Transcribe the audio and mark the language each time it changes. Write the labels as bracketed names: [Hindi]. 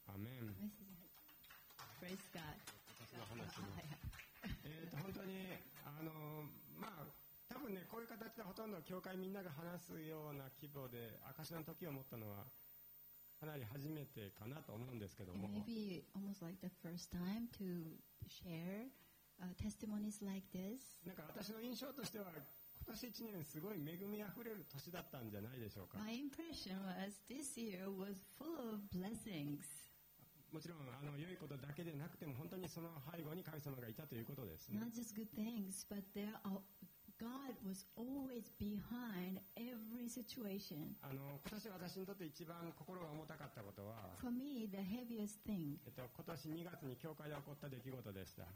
[English] Amen. Praise God. [Japanese] 私の話も。本当にまあ多分ねこういう形でほとんど教会みんなが話すような規模で証の時を持ったのはかなり初めてかなと思うんですけども。 [English] Maybe almost like the first time to share. Testimonies like this. [Japanese] なんか私の印象としては今年1年すごい恵みあふれる年だったんじゃないでしょうか。 [English] My impression was this year was full of blessings. [Japanese] もちろん良いことだけでなくても本当にその背後に神様がいたということですね。 [English] Not just good things, but there are God was always behind every situation. [Japanese] 今年私にとって一番心が重たかったことは、 [English] For me, the heaviest thing. [Japanese] 今年2月に教会で起こった出来事でした。